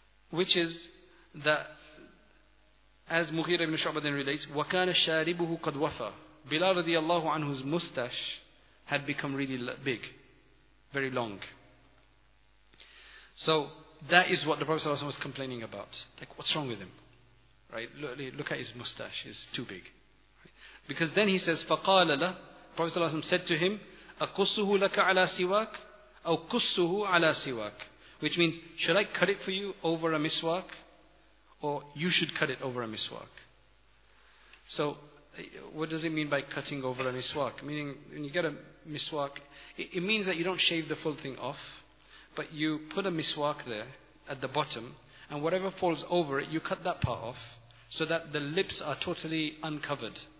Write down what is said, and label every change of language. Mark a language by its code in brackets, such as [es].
[en] Which is that, as Mughira ibn Shu'bah then relates, [ar] وَكَانَ شَارِبُهُ قَدْ وَفَى. [en] Bilal radiallahu anhu's mustache had become really big, very long. So that is what the Prophet ﷺ was complaining about. Like, what's wrong with him? Right? Look at his mustache, it's too big. Because then he says, [ar] فَقَالَ لَهُ, [en] Prophet ﷺ said to him, [ar] أَقُصُّهُ لَكَ عَلَى سِوَاكَ أَوْ قُصُّهُ عَلَى سِوَاكَ. [en] Which means, should I cut it for you over a miswak? Or you should cut it over a miswak. So, what does it mean by cutting over a miswak? Meaning, when you get a miswak, it means that you don't shave the full thing off, but you put a miswak there at the bottom, and whatever falls over it, you cut that part off, so that the lips are totally uncovered.